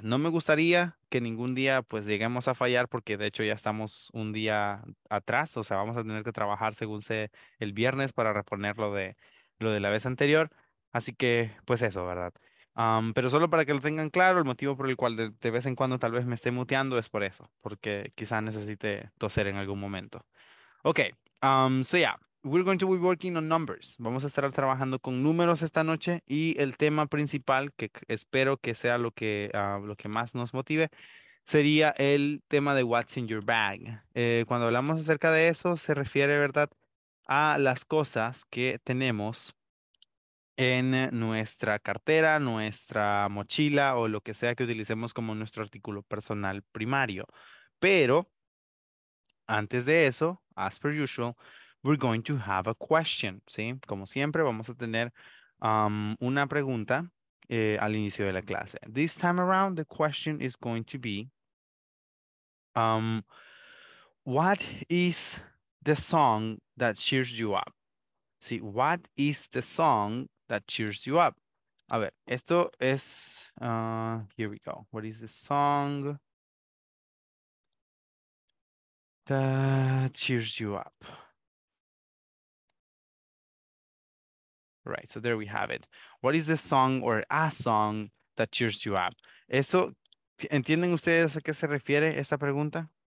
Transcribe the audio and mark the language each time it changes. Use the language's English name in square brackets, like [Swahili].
[Spanish] No me gustaría que ningún día pues lleguemos a fallar porque de hecho ya estamos un día atrás, o sea, vamos a tener que trabajar según sea el viernes para reponer lo de la vez anterior. Así que pues eso, ¿verdad? Pero solo para que lo tengan claro, el motivo por el cual de vez en cuando tal vez me esté muteando es por eso, porque quizá necesite toser en algún momento. [English] Ok, so yeah, we're going to be working on numbers. [Spanish] Vamos a estar trabajando con números esta noche y el tema principal, que espero que sea lo que más nos motive, sería el tema de [English] what's in your bag. [Spanish] Cuando hablamos acerca de eso, se refiere, ¿verdad?, a las cosas que tenemos en nuestra cartera, nuestra mochila o lo que sea que utilicemos como nuestro artículo personal primario. Pero antes de eso, [English] as per usual, we're going to have a question, ¿sí? [Spanish] Como siempre, vamos a tener una pregunta al inicio de la clase. [English] This time around, the question is going to be, what is the song that cheers you up? ¿Sí? What is the song that cheers you up? [Spanish] A ver, esto es. [English] Here we go. What is the song that cheers you up? Right, so there we have it. What is the song or a song that cheers you up? [Spanish] Eso, ¿entienden ustedes a qué se refiere esta pregunta?